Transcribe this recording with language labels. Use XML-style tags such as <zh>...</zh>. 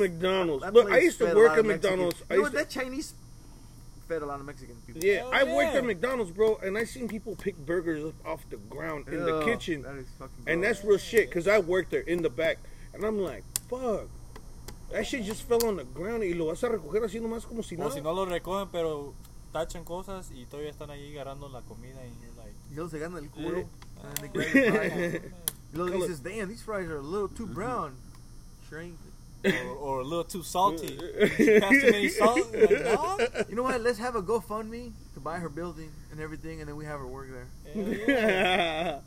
<en>ate McDonald's. Look, I used to work at McDonald's. You know what? That Chinese fed a lot of Mexican people. Yeah, I worked at McDonald's, bro, and I seen people pick burgers up off the ground in the kitchen. That is fucking. And that's real shit, cause I worked there in the back, and I'm like, fuck. That shit just fell on the ground.</en> <es>Y lo vas a recoger así nomás como si nada. O si no lo recogen, pero tachan cosas y todavía están ahí agarrando la comida.</es> <en>And you're like,</en> <es>yo se gana el culo.</es> <en>And the guy says, damn, these fries are a little too brown. Sure ain't. Or a little too salty. Too many salt. Like, no? You know what? Let's have a GoFundMe to buy her building and everything, and then we have her work there. Yeah.</en>